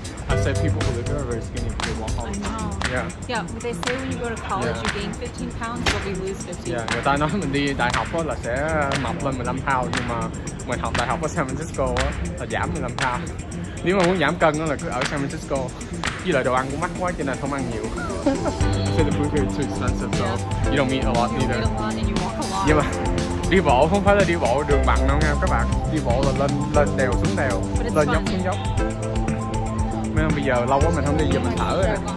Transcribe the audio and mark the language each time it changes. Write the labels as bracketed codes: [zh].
[en] I say people who look very skinny, they walk home. I know. Yeah. Yeah, they say when you go to college, yeah, you gain 15 pounds, but we lose 15. [vi] Yeah, người ta nói mình đi đại học á là sẽ mập lên 15 pounds, nhưng mà mình học đại học ở San Francisco á là giảm 15 pounds. Nếu mà muốn giảm cân á là cứ ở San Francisco. Với lại đồ ăn cũng mắc quá cho nên không ăn nhiều. [en] So the food is too expensive, so you don't eat a lot either. You eat a lot and you walk a lot. [vi] Nhưng mà đi bộ không phải là đi bộ đường bằng đâu nha các bạn. Đi bộ là lên đèo xuống đèo, lên [en] fun. [vi] Dốc xuống dốc. Mấy hôm bây giờ lâu quá mình không đi, giờ mình thở rồi.